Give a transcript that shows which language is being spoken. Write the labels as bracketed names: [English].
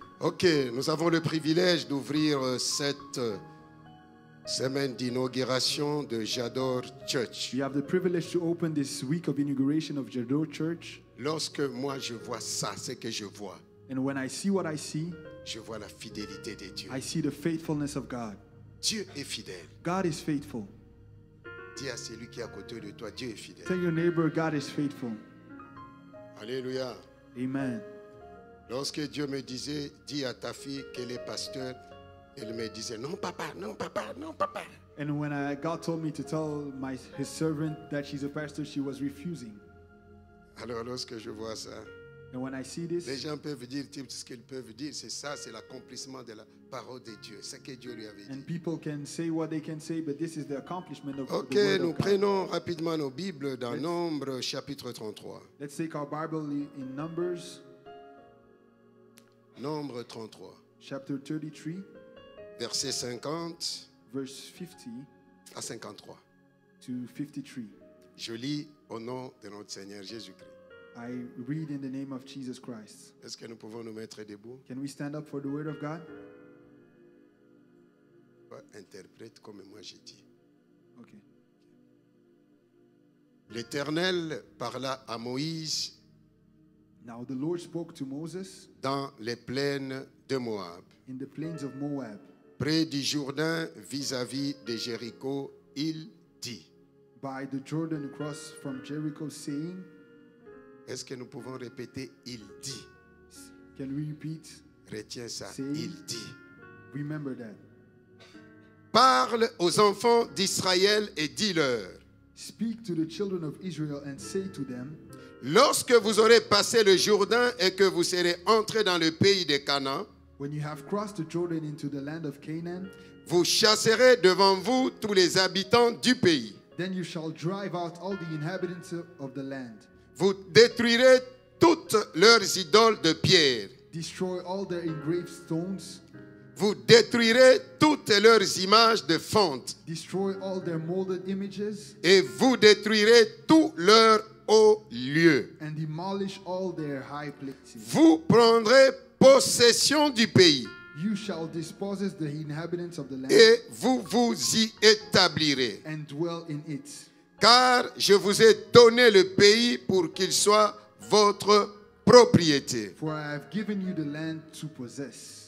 [French] Ok, nous avons le privilège d'ouvrir cette semaine d'inauguration de J'adore Church. [English] We have the privilege to open this week of inauguration of J'adore Church. [French] Lorsque moi je vois ça, c'est que je vois. [English] And when I see what I see, [French] je vois la fidélité de Dieu. [English] I see the faithfulness of God. [French] Dieu est fidèle. [English] God is faithful. [French] Dis à celui qui est à côté de toi, Dieu est fidèle. [English] Tell your neighbor, God is faithful. [French] Alléluia. [English] Amen. [French] Lorsque Dieu me disait, dis à ta fille qu'elle est pasteur, elle me disait, non papa, non papa, non papa. [English] And when God told me to tell his servant that she's a pastor, she was refusing. [French] Alors lorsque je vois ça, [English] and when I see this, [French] les gens peuvent dire tout ce qu'ils peuvent dire, c'est ça, c'est l'accomplissement de la parole de Dieu, ce que Dieu lui avait dit. [English] And people can say what they can say, but this is the accomplishment of okay, the word of God. [French] Ok, nous prenons rapidement nos Bibles dans Nombre chapitre 33. [English] Let's take our Bible in Numbers. [French] Nombre 33. [English] Chapter 33. [French] Verset 50. [English] Verse 50. [French] À 53. [English] To 53. [French] Je lis au nom de notre Seigneur Jésus-Christ. [English] I read in the name of Jesus Christ. [French] Est-ce que nous pouvons nous mettre debout? [English] Can we stand up for the word of God? [French] Interprète comme moi j'ai dit. [English] Okay. [French] L'Éternel parla à Moïse. [English] Now the Lord spoke to Moses. [French] Dans les plaines de Moab. [English] In the plains of Moab. [French] Près du Jourdain vis-à-vis de Jéricho, il dit. [English] By the Jordan across from Jericho, saying. [French] Est-ce que nous pouvons répéter il dit? [English] Can we repeat? [French] Retiens ça, [English] say, [French] il dit. [English] Remember that. [French] Parle aux enfants d'Israël et dis-leur. [English] Speak to the children of Israel and say to them. [French] Lorsque vous aurez passé le Jourdain et que vous serez entrés dans le pays de Canaan, [English] when you have crossed the Jordan into the land of Canaan, [French] vous chasserez devant vous tous les habitants du pays. [English] Then you shall drive out all the inhabitants of the land. [French] Vous détruirez toutes leurs idoles de pierre. [English] Destroy all their engraved stones. [French] Vous détruirez toutes leurs images de fonte. [English] Destroy all their molded images. [French] Et vous détruirez tous leurs hauts lieux. [English] And demolish all their high places. [French] Vous prendrez possession du pays. [English] You shall dispossess the inhabitants of the land. [French] Et vous vous y établirez. [English] And dwell in it. [French] Car je vous ai donné le pays pour qu'il soit votre propriété. [English] For I have given you the land to possess.